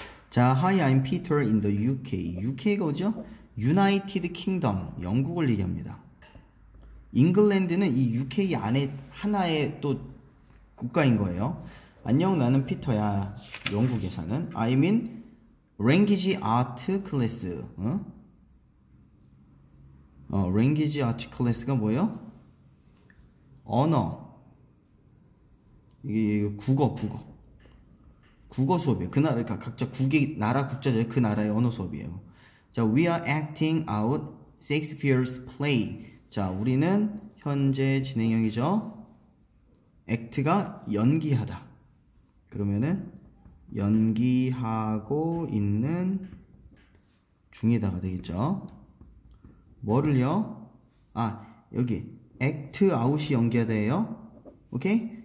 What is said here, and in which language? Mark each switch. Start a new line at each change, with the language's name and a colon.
English: 자, Hi, I'm Peter in the UK.
Korean: UK가 어디죠?
English: United Kingdom.
Korean: 영국을 얘기합니다. 잉글랜드는 이 UK 안에 하나의 또 국가인 거예요. 안녕, 나는 피터야. 영국에 사는.
English: I'm in language art class.
Korean: language art class가 뭐예요? 언어. 이게 국어. 국어 수업이에요. 그 나라, 각자 국의 나라 국자죠. 그 나라의 언어 수업이에요.
English: 자, we are acting out Shakespeare's play.
Korean: 자, 우리는 현재 진행형이죠. act가 연기하다. 그러면은 연기하고 있는 중이다가 되겠죠. 뭐를요? 아, 여기 act out이 연기하다예요. 오케이?